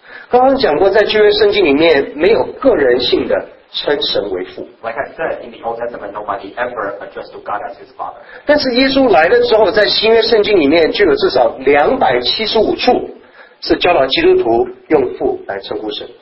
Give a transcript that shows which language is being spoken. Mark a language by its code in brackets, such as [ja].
[zh] 刚刚讲过，在旧约圣经里面，没有个人性的称神为父。 [en] Like I said, in the Old Testament, nobody ever addressed to God as his father. [zh] 但是耶稣来了之后，在新约圣经里面就有至少275处是教导基督徒用父来称呼神。